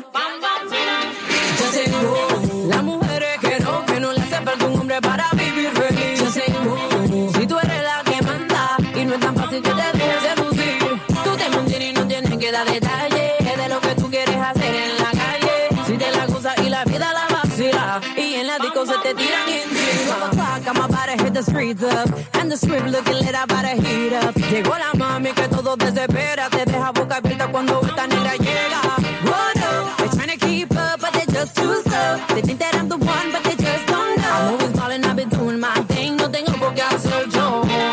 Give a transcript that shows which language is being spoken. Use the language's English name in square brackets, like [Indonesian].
[Spanish] Yo tengo las mujeres que no le hace falta un hombre para vivir feliz. Yo tengo, si tú eres la que manda, y no es tan fácil que te dejes seducir. Tú te mantienes y no tienes que dar detalle, es de lo que tú quieres hacer en la calle. Si te la gozas y la vida la vacila, y en la disco se te tiran en ti. [English] I'm about to hit the streets up, and the strip looking lit, I'm about to heat up. [Spanish] Llegó la mami que todo desespera, te deja boca abierta cuando esta negra llega. [English] Oh no, they're trying to keep up, but they're just too slow. They think that I'm the one, but they just don't know. I'm always ballin', I've been doing my thing, no tengo por qué hacer yo.